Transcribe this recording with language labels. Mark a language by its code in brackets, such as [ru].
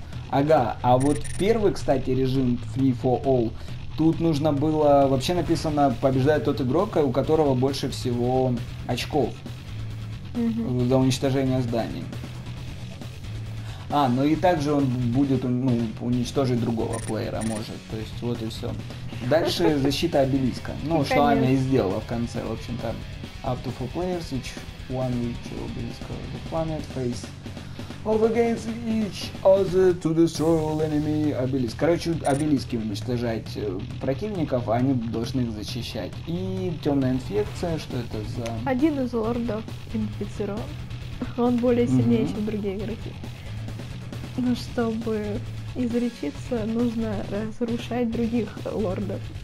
[ru] Ага, а вот первый, кстати, режим Free for All, тут нужно было, вообще написано, побеждает тот игрок, у которого больше всего очков за уничтожение зданий. А, ну и также он будет, ну, уничтожить другого плеера, может. То есть вот и все. Дальше защита обелиска. Ну, что Аня и сделала в конце, в общем-то. [en] Up to four players, each one each obelisk of the planet face off against each other to destroy all enemy obelisk. [ru] Короче, обелиски уничтожать противников, а они должны их защищать. И темная инфекция, что это за... Один из лордов инфицирован. Он более сильнее, чем другие игроки. Но чтобы излечиться, нужно разрушать других лордов.